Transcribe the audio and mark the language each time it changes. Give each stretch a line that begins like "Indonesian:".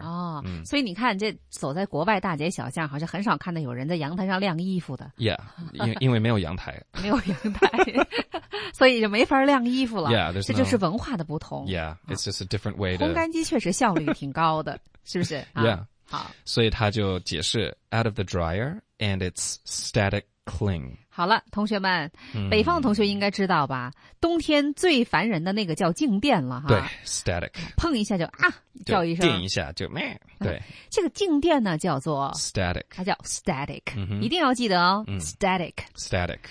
Chinese: 哦、嗯，所以你看这走在国外大街小巷好像很少看到有人在阳台上晾衣服的 yeah 因为没有阳台没有阳台所以就没法晾衣服了
English: yeah, there's no,
Chinese: 这就是文化的不同
English: yeah it's just a different way to
Chinese: 烘干机确实效率挺高的是不是、啊、
English: yeah
Chinese: 好所以他就解释
English: out of the dryer and it's static cling
Chinese: 好了同学们、北方同学应该知道吧冬天最烦人的那个叫静电了哈对 static 碰一下就啊叫一声电一下就咩对这个静电呢叫做
English: static
Chinese: 它叫 static、嗯、一定要记得哦 static
English: static